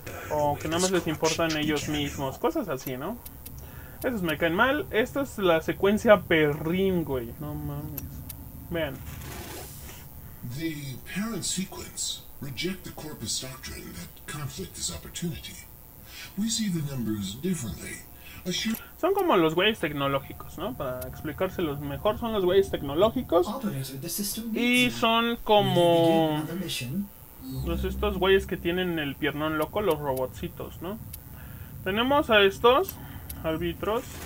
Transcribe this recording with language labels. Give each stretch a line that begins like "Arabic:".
Spanish: O que nada más les importan ellos mismos. Cosas así, ¿no? Esos me caen mal. Esta es la secuencia perrín, güey. No mames. Vean.
English: The parent sequence reject the corpus doctrine that conflict is opportunity. We see the numbers differently.
Spanish: Son como los güeyes tecnológicos, ¿no? Para explicárselos mejor, son los güeyes tecnológicos. Y son como... pues estos güeyes que tienen el piernón loco, los robotcitos, ¿no? Tenemos a estos árbitros.